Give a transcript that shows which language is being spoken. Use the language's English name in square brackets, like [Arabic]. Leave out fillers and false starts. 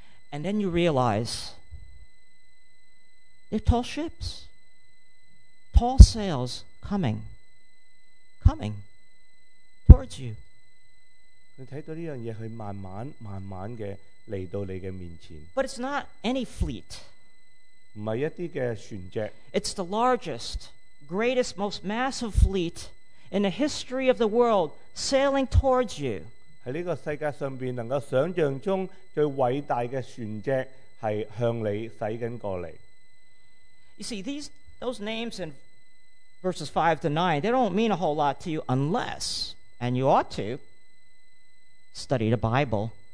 [English] And then you realize they're tall ships, tall sails coming towards you. [Chinese] 你看到这件事是慢慢地来到你的面前。 [English] But it's not any fleet. [Chinese] 不是一些船只。 [English] It's the largest, greatest, most massive fleet in the history of the world sailing towards you. [Chinese] 在这个世界上能够想象中最伟大的船只是向你驶过来。 [English] You see, those names in verses 5 to 9, they don't mean a whole lot to you unless, and you ought to, study the Bible.